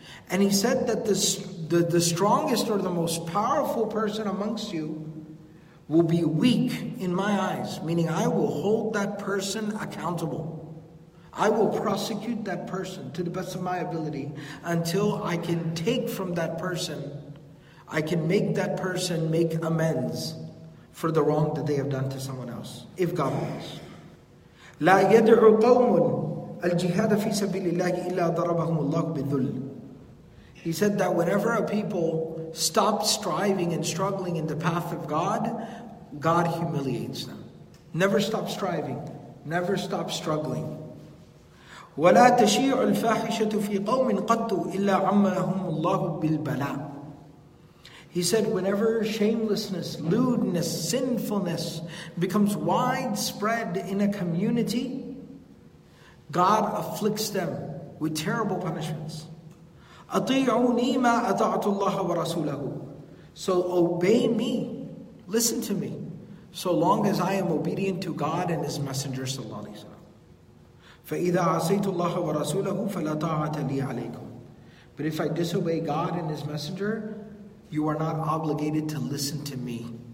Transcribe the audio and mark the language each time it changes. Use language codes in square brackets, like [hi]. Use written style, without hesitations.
[en] And he said that the strongest or the most powerful person amongst you will be weak in my eyes, meaning I will hold that person accountable. I will prosecute that person to the best of my ability until I can take from that person, I can make that person make amends for the wrong that they have done to someone else, if God wants. [ar] لا يدعو قوم الجهاد في سبيل الله إلا ضربهم الله بالذل. [en] He said that whenever a people stop striving and struggling in the path of God, God humiliates them. Never stop striving. Never stop struggling. [ar] وَلَا تَشِيعُ الْفَاحِشَةُ فِي قَوْمٍ قَدُّ إِلَّا عَمَّهُمُ اللَّهُ بِالْبَلَاءِ. [en] He said, whenever shamelessness, lewdness, sinfulness becomes widespread in a community, God afflicts them with terrible punishments. [ar] أَطِيعُونِي مَا أَطَعْتُ اللَّهَ وَرَسُولَهُ. [en] So obey me, listen to me, so long as I am obedient to God and His Messenger sallallahu alayhi wa sallam. [ar] فَإِذَا عَصَيْتُ اللَّهَ وَرَسُولَهُ فَلَا طَاعَةَ لِي عَلَيْكُمْ. [en] But if I disobey God and His Messenger, you are not obligated to listen to me.